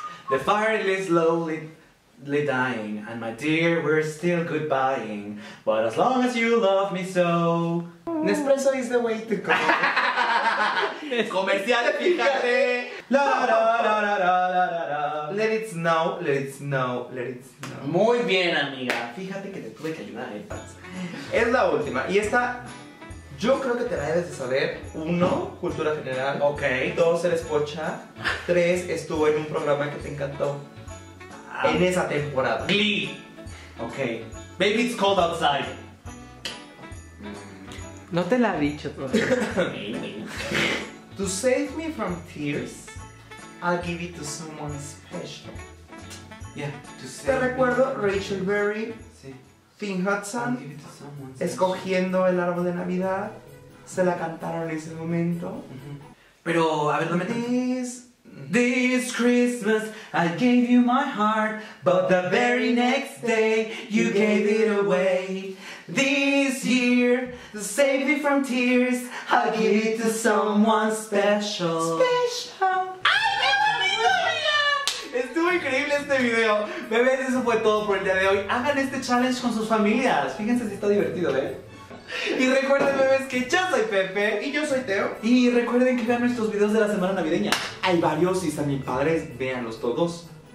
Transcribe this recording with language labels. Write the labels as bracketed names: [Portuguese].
[English] The fire is slowly dying, and my dear, we're still goodbying. But as long as you love me so. Nespresso is the way to go. [Spanish] Comercial, fíjate. La, la, la, la, la, la, la, la. [English] Let it snow, let it snow, let it snow. [Spanish] Muy bien, amiga. Fíjate que te tuve que ayudar, ¿eh? Es la última. Y esta, yo creo que te la debes de saber. Uno, cultura general. Ok. Dos, eres pocha. Tres, estuvo en un programa que te encantó. En esa temporada. [English] Glee. Ok. Baby, it's cold outside. [Spanish] No te la he dicho todavía. [English] To save me from tears, I'll give it to someone special. Yeah, to save me. [Spanish] Te recuerdo [English] Rachel Berry. [Spanish] Sí. Finn Hudson. [English] Give it to someone special. [Spanish] Escogiendo el árbol de Navidad. Se la cantaron en ese momento. Mm-hmm. Pero, a ver, dame. [English] This Christmas, I gave you my heart, but the very next day, you gave it away. This year, to save me from tears, I'll give it to someone special. [Spanish] Special. ¡Ay, qué bonito, amiga! Estuvo increíble este video. Bebés, eso fue todo por el día de hoy. Hagan este challenge con sus familias. Fíjense si está divertido, ¿eh? Y recuerden, bebés, que yo soy Pepe. Y yo soy Teo. Y recuerden que vean nuestros videos de la semana navideña. Hay varios, y están mis padres, véanlos todos.